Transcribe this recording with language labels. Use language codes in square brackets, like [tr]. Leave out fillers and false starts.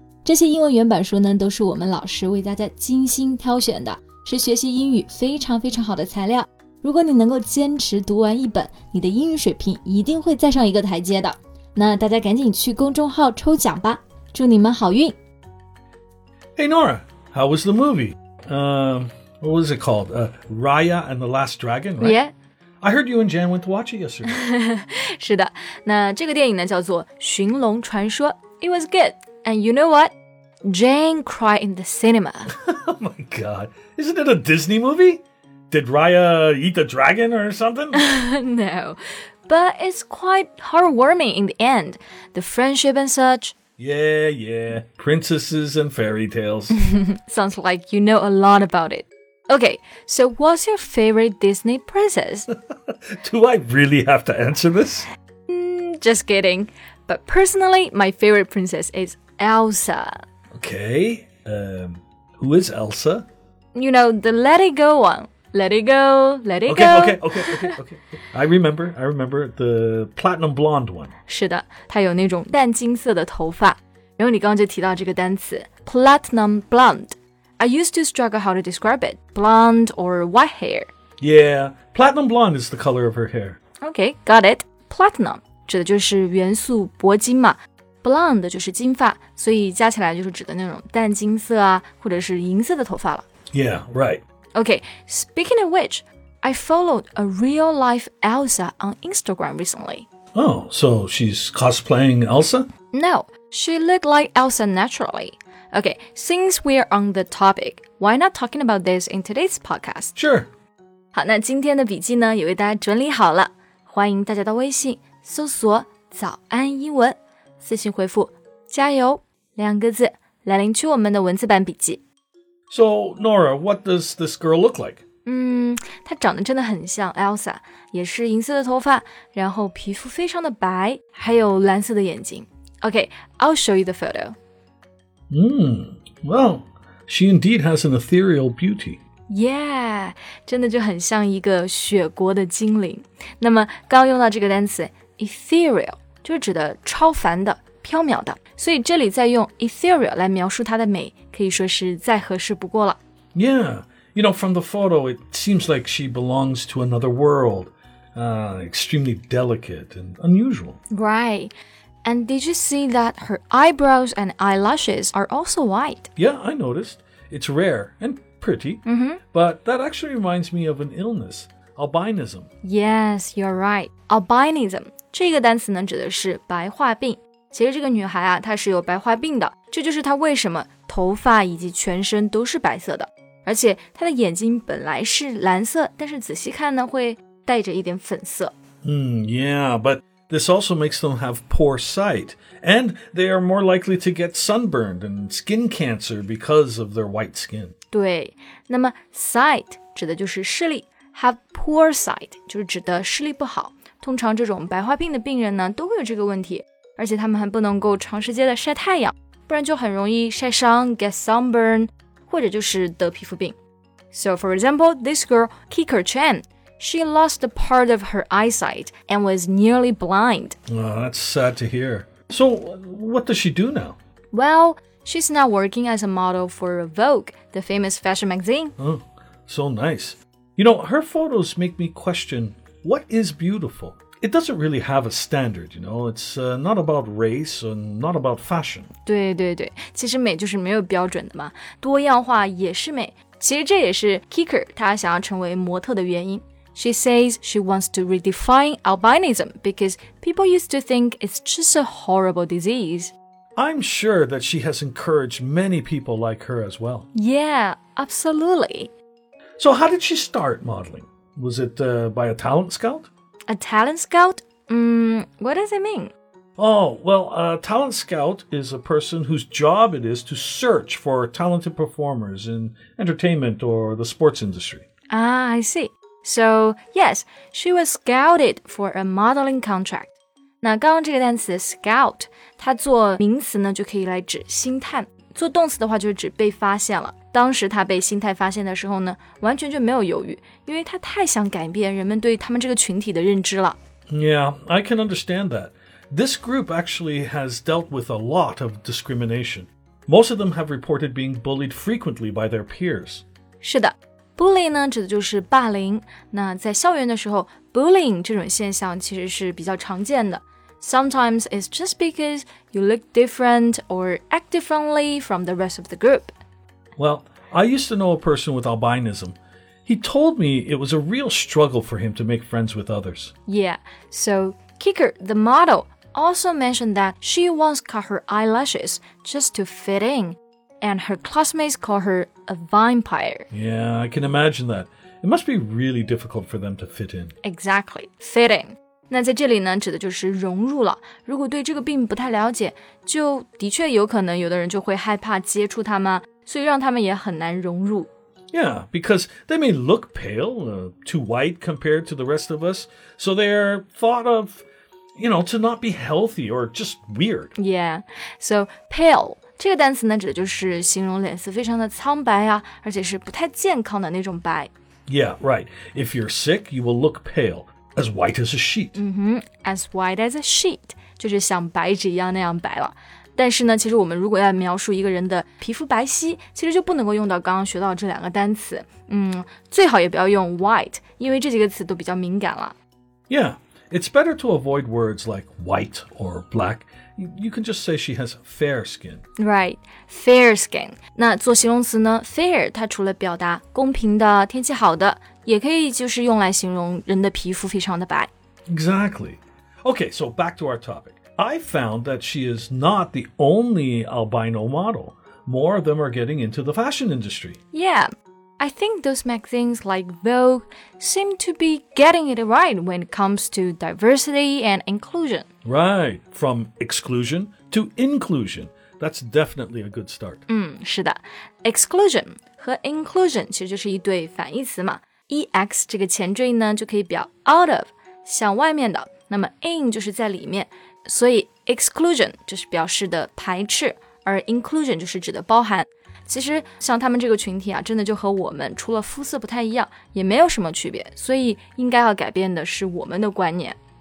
[zh] 这些英文原版书呢，都是我们老师为大家精心挑选的。是学习英语非常非常好的材料，如果你能够坚持读完一本，你的英语水平一定会再上一个台阶的。那大家赶紧去公众号抽奖吧，祝你们好运。 [en] Hey Nora, how was the movie? What was it called? Raya and the Last Dragon, right? Yeah. I heard you and Jan went to watch it yesterday. [zh] 是的，那这个电影呢叫做《寻龙传说》。 [en] It was good, and you know what? Jane cried in the cinema. Oh my god. Isn't it a Disney movie? Did Raya eat the dragon or something? No. But it's quite heartwarming in the end. The friendship and such. Yeah, yeah. Princesses and fairy tales. Sounds like you know a lot about it. Okay, so what's your favorite Disney princess? Do I really have to answer this? Just kidding. But personally, my favorite princess is Elsa. Okay, who is Elsa? You know, the Let It Go one. Let it go, let it go. Okay. I remember the platinum blonde one. [zh] 是的，她有那种淡金色的头发。然后你刚刚就提到这个单词 platinum blonde. [en] I used to struggle how to describe it. Blonde or white hair. Yeah, platinum blonde is the color of her hair. Okay, got it. [zh] Platinum 指的就是元素铂金嘛。Blonde 就是金发，所以加起来就是指的那种淡金色啊，或者是银色的头发了。 [en] Yeah, right. Okay, speaking of which, I followed a real-life Elsa on Instagram recently. Oh, so she's cosplaying Elsa? No, she looked like Elsa naturally. Okay, since we're on the topic, why not talking about this in today's podcast? Sure. [zh] 好，那今天的笔记呢，也为大家整理好了。欢迎大家到微信搜索“早安英文”。私信回复加油两个字来领取我们的文字版笔记。 [en] So, Nora, what does this girl look like? [zh] 她长得真的很像 Elsa, 也是银色的头发，然后皮肤非常的白，还有蓝色的眼睛。 [en] Okay, I'll show you the photo. Well, she indeed has an ethereal beauty. [zh] Yeah, 真的就很像一个雪国的精灵。那么刚刚用到这个单词 ethereal,就是指的超凡的、飘渺的，所以这里再用 ethereal 来描述它的美，可以说是再合适不过了。 [en] Yeah, you know, from the photo, it seems like she belongs to another world. Extremely delicate and unusual. Right. And did you see that her eyebrows and eyelashes are also white? Yeah, I noticed. It's rare and pretty. Mm-hmm. But that actually reminds me of an illness, albinism. Yes, you're right. Albinism. [zh] 这个单词呢指的是白化病。其实这个女孩啊，她是有白化病的，这就是她为什么头发以及全身都是白色的。而且她的眼睛本来是蓝色，但是仔细看呢会带着一点粉色。 [en] Yeah, but this also makes them have poor sight. And they are more likely to get sunburned and skin cancer because of their white skin. [zh] 对，那么 sight 指的就是视力， [en] have poor sight [zh] 就是指的视力不好。通常这种白化病的病人呢都会有这个问题，而且他们还不能够长时间的晒太阳，不然就很容易晒伤 [en] get sunburn [zh] 或者就是得皮肤病。 [en] So for example, this girl Kiko Chan, she lost a part of her eyesight and was nearly blind. Oh, that's sad to hear. So what does she do now? Well, she's now working as a model for Vogue, the famous fashion magazine. Oh, so nice. You know, her photos make me questionWhat is beautiful? It doesn't really have a standard, you know? It's not about race and not about fashion. [zh] 对对对，其实美就是没有标准的嘛，多样化也是美。其实这也是 Kiko 她想要成为模特的原因。 [en] She says she wants to redefine albinism because people used to think it's just a horrible disease. I'm sure that she has encouraged many people like her as well. Yeah, absolutely. So how did she start modeling? Was it by a talent scout? A talent scout? What does it mean? Oh, well, a talent scout is a person whose job it is to search for talented performers in entertainment or the sports industry. Ah, I see. So, yes, she was scouted for a modeling contract. [zh] 那刚刚这个单词 scout, 它做名词呢就可以来指星探。做动词的话就是指被发现了。当时他被星探发现的时候呢完全就没有犹豫，因为他太想改变人们对他们这个群体的认知了。 [en] Yeah, I can understand that. This group actually has dealt with a lot of discrimination. Most of them have reported being bullied frequently by their peers. [zh] 是的 ,bully 呢指的就是霸凌。那在校园的时候 ,bullying 这种现象其实是比较常见的。 [en] Sometimes it's just because you look different or act differently from the rest of the group. Well, I used to know a person with albinism. He told me it was a real struggle for him to make friends with others. Yeah, so Kicker, the model, also mentioned that she once cut her eyelashes just to fit in, and her classmates call her a vampire. Yeah, I can imagine that. It must be really difficult for them to fit in. Exactly, fit in. 那在这里呢指的就是融入了，如果对这个病不太了解，就的确有可能有的人就会害怕接触他们，所以让他们也很难融入。 Yeah, because they may look pale, too white compared to the rest of us, so they are thought of, you know, to not be healthy or just weird. Yeah, so pale, [zh] 这个单词呢指的就是形容脸色非常的苍白啊，而且是不太健康的那种白。 [en] Yeah, right, if you're sick, you will look paleAs white as a sheet. Mm-hmm, as white as a sheet. [zh] 就是像白纸一样那样白了。但是呢其实我们如果要描述一个人的皮肤白皙其实就不能够用到刚刚学到这两个单词。最好也不要用 white, 因为这几个词都比较敏感了。 [en] Yeah, it's better to avoid words like white or black. You can just say she has fair skin. Right, fair skin. 那做形容词呢 fair 它除了表达公平的天气好的也可以就是用来形容人的皮肤非常的白。 Exactly. Okay, so back to our topic. I found that she is not the only albino model. More of them are getting into the fashion industry. Yeah, I think those magazines like Vogue seem to be getting it right when it comes to diversity and inclusion. Right, from exclusion to inclusion. That's definitely a good start. [zh] 是的。 Exclusion 和 inclusion 其实就是一对反义词嘛。 EX 这个前缀呢就可以表 [en] out of, [zh] 向外面的那么 in 就是在里面所以 exclusion 就是表示的排斥而 inclusion 就是指的包含其实像他们这个群体啊真的就和我们除了肤色不太一样也没有什么区别所以应该要改变的是我们的观念